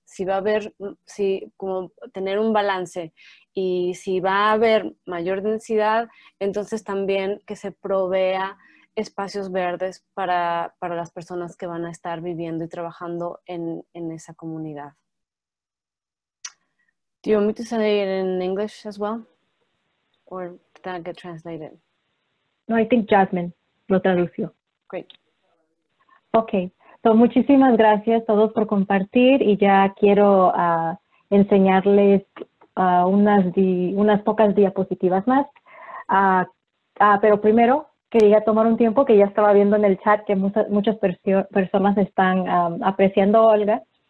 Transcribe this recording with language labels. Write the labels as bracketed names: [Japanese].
[Spanish] Si va a haber, si como tener un balance. Y si va a haber mayor densidad, entonces también que se provea espacios verdes para las personas que van a estar viviendo y trabajando en esa comunidad. [English] Do you want me to say it in English as well? Or did that get translated? No, I think Jasmine. [Spanish] lo tradució. [English] Great. Okay. [Spanish] Entonces, muchísimas gracias a todos por compartir y ya quiero enseñarles unas pocas diapositivas más. Pero primero quería tomar un tiempo que ya estaba viendo en el chat que muchas personas están apreciando a Olga.